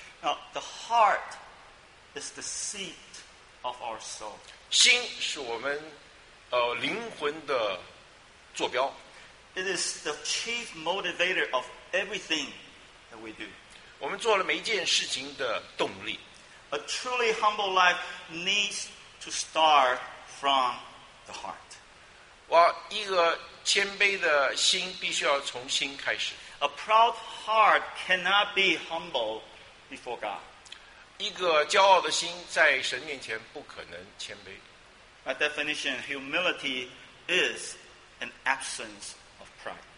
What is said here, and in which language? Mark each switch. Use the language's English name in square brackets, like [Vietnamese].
[English] Now the heart is the seat. Of our soul. [Chinese] 心是我们灵魂的坐标。 [English] It is the chief motivator of everything that we do. [Chinese] 我们做了每一件事情的动力。 [English] A truly humble life needs to start from the heart. [Chinese] 一个谦卑的心必须要从心开始。 [English] A proud heart cannot be humble before God. [Chinese] 一个骄傲的心在神面前不可能谦卑。 [English] By definition, humility is an absence of pride.